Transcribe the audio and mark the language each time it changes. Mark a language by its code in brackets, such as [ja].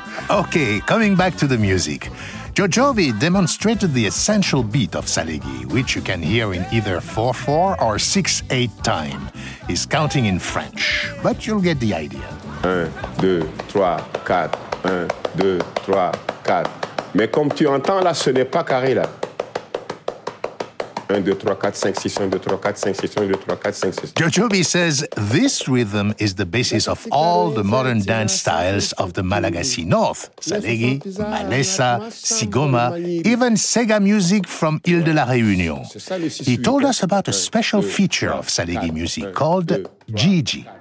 [en] Okay, coming back to the music. Djodjobi demonstrated the essential beat of Salegi, which you can hear in either 4-4 or 6-8 time. He's counting in French, but you'll get the idea. [fr] 1, 2, 3, 4. 1, 2, 3, 4. Mais comme tu entends là, ce n'est pas carré là. 1, 2, 3, 4, 5, 6, 1, 2, 3, 4, 5, 6, 1, 2, 3, 4, 5, 6. [en] Djodjobi says this rhythm is the basis of all the modern dance styles of the Malagasy North. Salegi, Malesa, Sigoma, even Sega music from Île de la Réunion. He told us about a special feature of Salegi music called Gigi.